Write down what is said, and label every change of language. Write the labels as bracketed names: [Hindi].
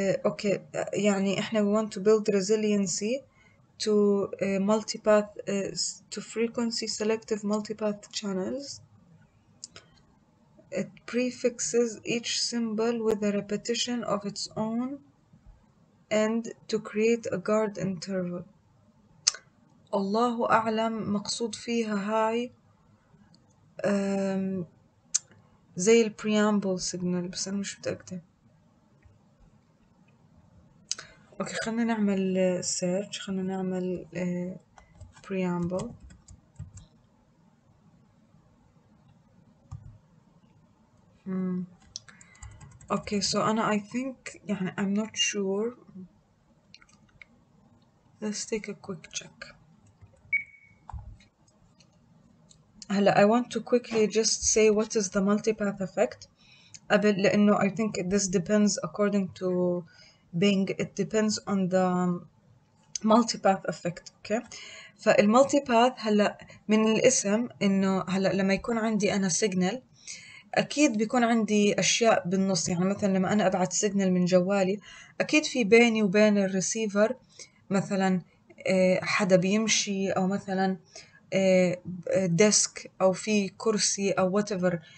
[English] Okay, يعني احنا we want to build resiliency to multipath to frequency selective multipath channels. It prefixes each symbol with a repetition of its own and to create a guard interval. [Arabic] الله أعلم مقصود فيها هاي زي ال preamble signal بس أنا مش متأكدة. اوكي خلنا نعمل search, خلنا نعمل preamble. [English] Okay so انا I think يعني I'm not sure. Let's take a quick check. هلا I want to quickly just say what is the multipath effect قبل, لانه I think this depends according to Bing, it depends on the multipath effect. [Arabic] Okay, فالmultipath هلا من الاسم انه هلا لما يكون عندي انا signal أكيد بيكون عندي أشياء بالنص, يعني مثلا لما أنا أبعت سيجنال من جوالي أكيد في بيني وبين الريسيفر مثلا حدا بيمشي أو مثلا ديسك أو في كرسي أو whatever.